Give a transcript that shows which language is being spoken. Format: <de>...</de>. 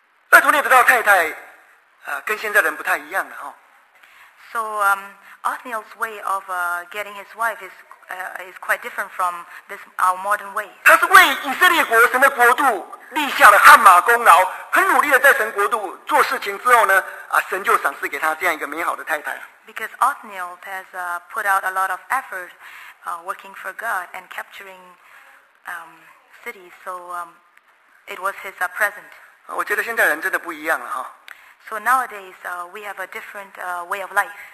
<zh>第一章十二节。一章十二节。加勒说：“谁攻打基列西活，将城夺取，我就把我的女儿亚撒给他为妻。”十三节。加勒兄弟基尼斯的儿子厄陀涅夺取了那城，加勒就把女儿亚撒给他为妻的。厄陀涅得到太太。跟现在人不太一样的哦。</zh> <en>So Othniel's way of getting his wife is quite different from this our modern way.</en> <zh>他是为以色列国神的国度立下了汗马功劳，很努力的在神国度做事情之后呢，神就赏赐给他这样一个美好的太太。</zh> <en>Because Othniel has put out a lot of effort working for God and capturing cities, so it was his present.</en> <zh>我觉得现在人真的不一样了哈。</zh> <en>So nowadays, we have a different way of life.</en>